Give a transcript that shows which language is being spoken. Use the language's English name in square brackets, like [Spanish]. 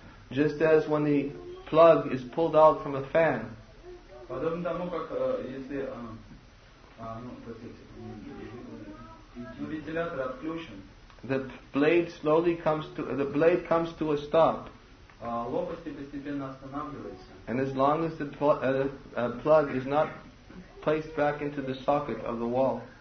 [English] Just as when the plug is pulled out from a fan, the blade comes to a stop. [Russian] Лопасти постепенно останавливаются. [English] And as long as the plug is not placed back into the socket of the wall.